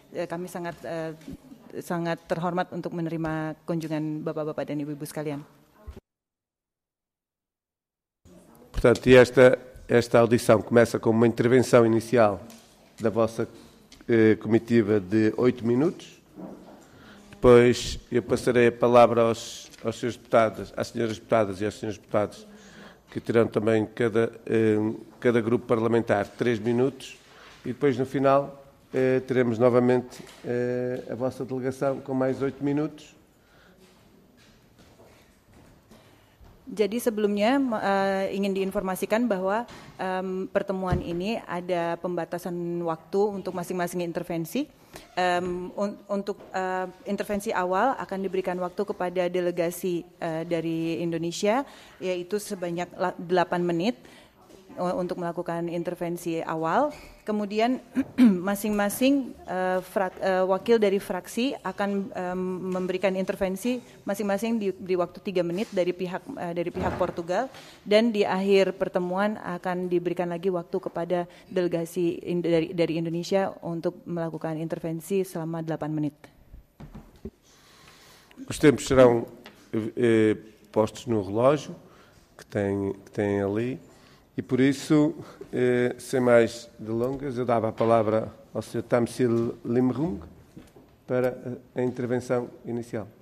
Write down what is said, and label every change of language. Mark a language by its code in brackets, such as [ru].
[id] Kami sangat sangat terhormat untuk menerima kunjungan bapak-bapak dan ibu-ibu sekalian. [pt] Portanto, esta audição começa com uma intervenção inicial da vossa comitiva de 8 minutos. Depois eu passarei a palavra aos senhores deputados, às senhoras deputadas e aos senhores deputados, que terão também cada grupo parlamentar 3 minutos. E depois, no final, teremos novamente a vossa delegação com mais 8 minutos. [id] Jadi sebelumnya ingin diinformasikan bahwa pertemuan ini ada pembatasan waktu untuk masing-masing intervensi. Untuk intervensi awal akan diberikan waktu kepada delegasi dari Indonesia, yaitu sebanyak 8 menit untuk melakukan intervensi awal. Kemudian masing-masing wakil dari fraksi akan memberikan intervensi masing-masing di waktu 3 menit dari pihak Portugal, dan di akhir pertemuan akan diberikan lagi waktu kepada delegasi dari Indonesia untuk melakukan intervensi selama 8 menit. [pt] Os tempos serão postos no relógio que tem ali. E por isso, sem mais delongas, eu dava a palavra ao Sr. Tamsil Limrung para a intervenção inicial.